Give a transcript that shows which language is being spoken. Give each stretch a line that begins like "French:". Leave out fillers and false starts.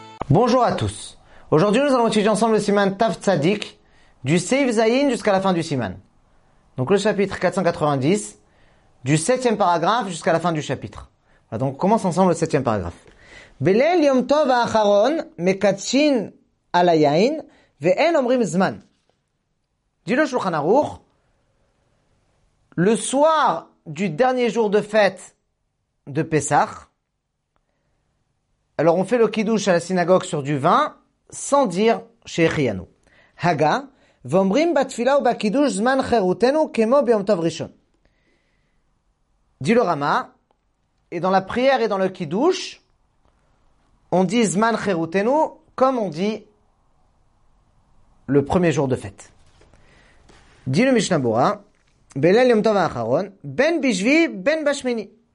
French: Bonjour à tous. Aujourd'hui, nous allons étudier ensemble le Siman Tav Tzadik du Seif Zayin jusqu'à la fin du Siman. Donc le chapitre 490, du 7e paragraphe jusqu'à la fin du chapitre. Voilà, donc on commence ensemble le 7e paragraphe.
Hebrew: בליל יום טוב האחרון מקדשין על היין ואין אומרים זמן.
French: Dit le Shulchan Aruch, le soir du dernier jour de fête de Pessah, alors on fait le kiddush à la synagogue sur du vin sans dire Shehechiyanu.
Hebrew: Haga, ואומרים בתפילה ובקידוש זמן חירותנו כמו ביום טוב ראשון.
French: Dit le Rama, et dans la prière et dans le kiddush, on dit Zman Cheroutenu comme on dit le premier jour de fête. Dit le Mishnah Berurah,
Hebrew: Belel Yom Tov Acharon, Ben Bishvi, Ben Bashmini.